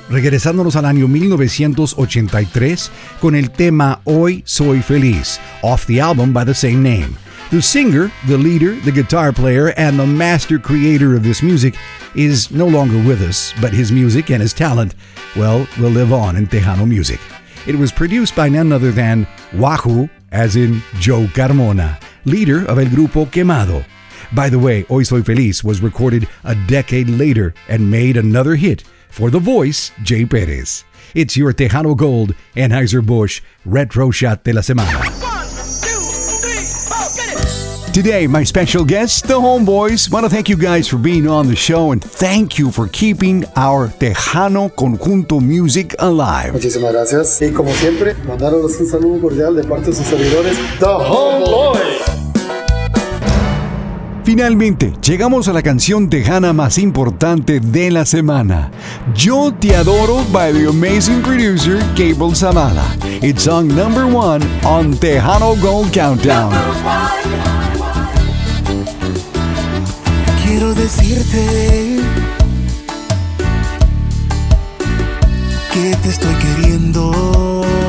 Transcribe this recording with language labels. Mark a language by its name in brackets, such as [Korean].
[Spanish] Regresándonos al año 1983 con el tema Hoy Soy Feliz, [English] off the album by the same name. The singer, the leader, the guitar player, and the master creator of this music is no longer with us, but his music and his talent, well, will live on in Tejano music. It was produced by none other than Wahoo, as in Joe Carmona, leader of El Grupo Quemado. By the way, Hoy Soy Feliz was recorded a decade later and made another hit for The Voice, Jay Perez. It's your Tejano Gold, Anheuser-Busch, Retro Shot de la Semana. One, two, three, four, get it! Today, my special guests, the homeboys, want to thank you guys for being on the show and thank you for keeping our Tejano Conjunto music alive. [Spanish] Muchísimas gracias. Y como siempre, mandaros un saludo cordial de parte de sus servidores, The Homeboys. Finalmente, llegamos a la canción tejana más importante de la semana. [English] Yo Te Adoro by the amazing producer Gabriel Zavala. It's song number one on Tejano Gold Countdown. [Spanish] Quiero decirte que te estoy queriendo.